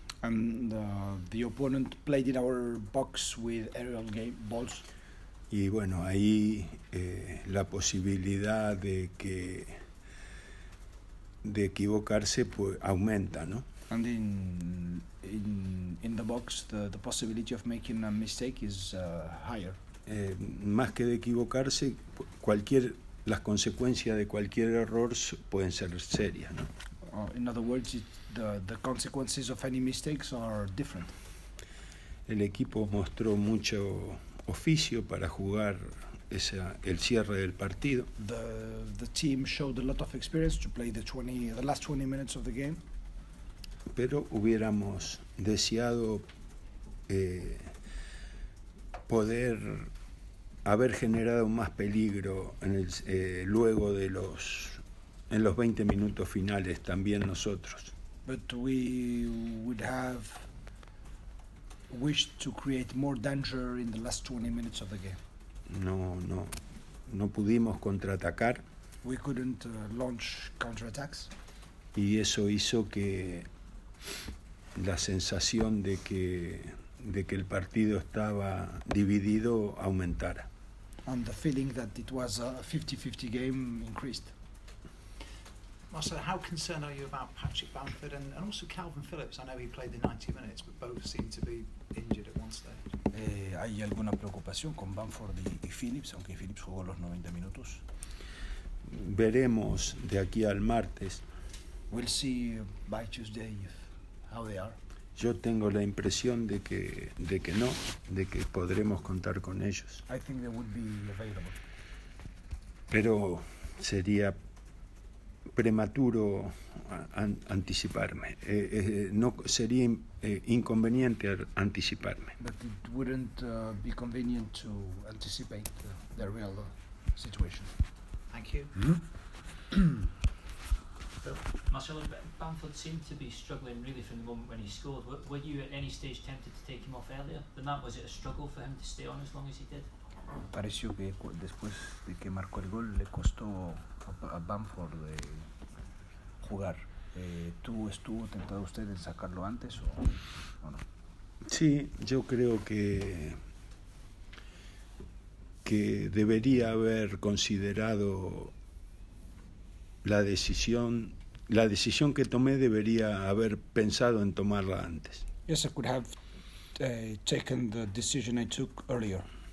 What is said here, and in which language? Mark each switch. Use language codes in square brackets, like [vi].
[en] And the opponent played in our box with aerial game balls. [es] Y bueno, ahí la posibilidad de equivocarse pues aumenta, ¿no? [en] And in the box the possibility of making a mistake is higher. [es] Más que de equivocarse, cualquier las consecuencias de cualquier error pueden ser serias, ¿no? [en] In other words, the consequences of any mistakes are different. [es] El equipo mostró mucho oficio para jugar el cierre del partido. [en] The team showed a lot of experience to play the last 20 minutes of the game. [es] Pero hubiéramos deseado poder haber generado más peligro en el luego de los en los 20 minutos finales también nosotros. [en] But we would have wish to create more danger in the last 20 minutes of the game. [es] No pudimos contraatacar. [en] We couldn't launch counterattacks. [es] Y eso hizo que la sensación de que el partido estaba dividido aumentara. [en] And the feeling that it was a 50-50 game increased. Marcel, how concerned are you about Patrick Bamford and also Calvin Phillips? I know he played the 90 minutes, but both seem to be injured at one stage. [es] Hay alguna preocupación con Bamford y Phillips, aunque Phillips jugó los 90 minutos. Veremos de aquí al martes. [en] We'll see by Tuesday how they are. [es] Yo tengo la impresión de que no, de que podremos contar con ellos. [en] I think they would be available. [es] Pero sería prematuro anticiparme. No sería inconveniente anticiparme. [en] But it wouldn't be convenient to anticipate the real situation. Thank you. Marcelo, Bamford seemed to be struggling really from the moment when he scored. Were you at any stage tempted to take him off earlier than that? Was it a struggle for him to stay on as long as he did? [es] Pareció que después de que marcó el gol le costó a Bamford de jugar. ¿Estuvo tentado usted en sacarlo antes o no? Sí, yo creo que debería haber considerado la decisión que tomé debería haber pensado en tomarla antes. [en] Yes, I could have taken the decision I took earlier.